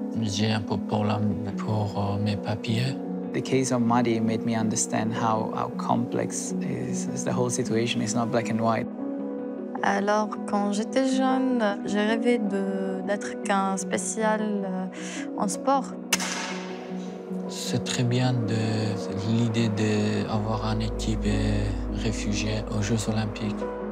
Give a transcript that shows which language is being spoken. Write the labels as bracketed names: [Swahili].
[French] J'ai un peu de problème pour mes papiers. [English] The case of Mahdi made me understand how complex is the whole situation. It's not black and white. [French] Alors, quand j'étais jeune, j'ai rêvé d'être qu'un spécial en sport. C'est très bien de l'idée d'avoir une équipe réfugiée aux Jeux Olympiques.